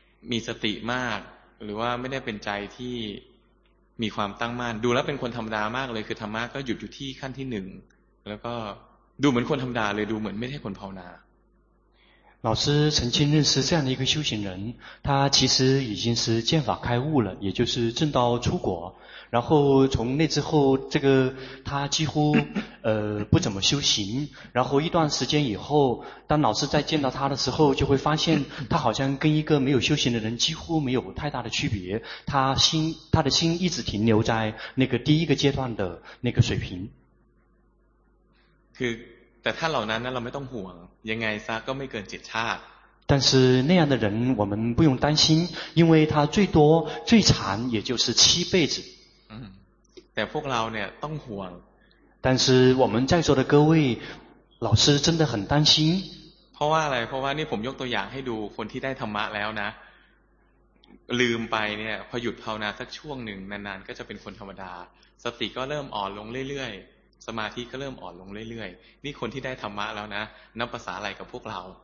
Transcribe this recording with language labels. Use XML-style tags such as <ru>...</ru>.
<th>มีสติมากหรือว่าไม่ได้เป็นใจที่มีความตั้งมั่นดูแล้วเป็นคนธรรมดามากเลยคือธรรมะก็หยุดอยู่ที่ขั้นที่หนึ่งแล้วก็ดูเหมือนคนธรรมดาเลยดูเหมือนไม่ใช่คนภาวนา</th> <zh>老师曾经认识这样的一个修行人，他其实已经是见法开悟了，也就是正道出果。然后从那之后，这个他几乎不怎么修行。然后一段时间以后，当老师再见到他的时候，就会发现他好像跟一个没有修行的人几乎没有太大的区别。他的心一直停留在那个第一个阶段的那个水平。</zh> <th>แต่ถ้าเหล่านั้นเราไม่ต้องห่วงยังไงซะก็ไม่เกินเจ็ดชาติ</th> <zh>但是那样的人我们不用担心因为他最多最长也就是七辈子</zh> <th>แต่พวกเราเนี่ยต้องห่วง</th> <zh>但是我们在座的各位老师真的很担心</zh> <th>เพราะว่าอะไรเพราะว่านี่ผมยกตัวอย่างให้ดูคนที่ได้ธรรมะแล้วนะลืมไปเนี่ยพอหยุดภาวนาสักช่วงหนึ่งนานๆก็จะเป็นคนธรรมดาสติก็เริ่มอ่อนลงเรื่อยๆสมาธิก็เริ่มอ่อนลงเรื่อยๆนี่คนที่ได้ธรรมะแล้วนะนับภาษาอะไรกับพวกเรา</th>